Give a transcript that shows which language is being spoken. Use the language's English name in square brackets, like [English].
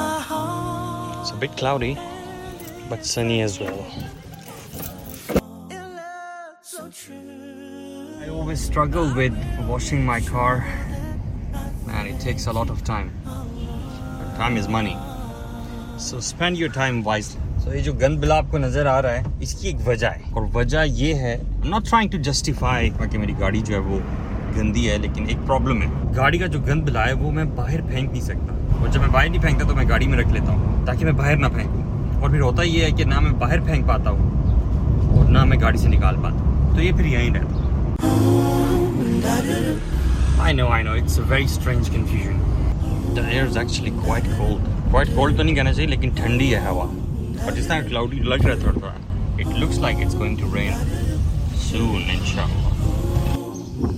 [English] It's a bit cloudy, but sunny as well. I always struggle with washing my car. Man, it takes a lot of time. But time is money. So spend your time wisely. [Hindi] So ये जो गंद bill आपको नजर आ रहा है इसकी एक वजह है और वजह ये है, [English] I'm not trying to justify [Hindi] कि मेरी गाड़ी जो है वो गंदी है, लेकिन एक प्रॉब्लम है, गाड़ी का जो गंद बिल है वो मैं बाहर फेंक नहीं सकता. और जब मैं बाहर नहीं फेंकता तो मैं गाड़ी में रख लेता हूँ ताकि मैं बाहर ना फेंकूँ. और फिर होता ये है कि ना मैं बाहर फेंक पाता हूँ और ना मैं गाड़ी से निकाल पाता, तो ये फिर यहीं रहता. [English] I know, it's a very strange confusion. The air is actually quite cold. Quite cold [Hindi] तो नहीं कहना चाहिए, लेकिन ठंडी है हवा. और जिस तरह क्लाउडी लग रहा था थोड़ा, [English] it looks like it's going to rain soon [Hindi] इंशाल्लाह.